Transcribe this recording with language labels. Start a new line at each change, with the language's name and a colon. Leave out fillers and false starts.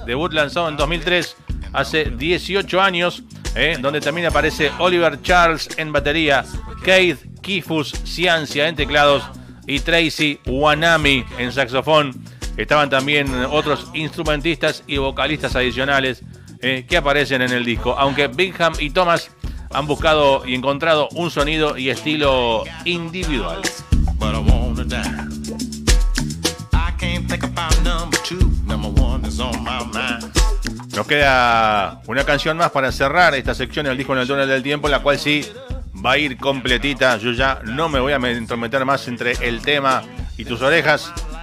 Spanish: Debut lanzado en 2003, hace 18 años, donde también aparece Oliver Charles en batería, Keith Kifus Ciancia en teclados y Tracy Wanami en saxofón. Estaban también otros instrumentistas y vocalistas adicionales que aparecen en el disco. Aunque Bingham y Thomas han buscado y encontrado un sonido y estilo individual.
English: But I wanna die. I can't think about number two. Number one is on my mind.
Spanish: Nos queda una canción más para cerrar esta sección del disco en el túnel del tiempo, la cual sí va a ir completita. Yo ya no me voy a entrometer más entre el tema y tus orejas.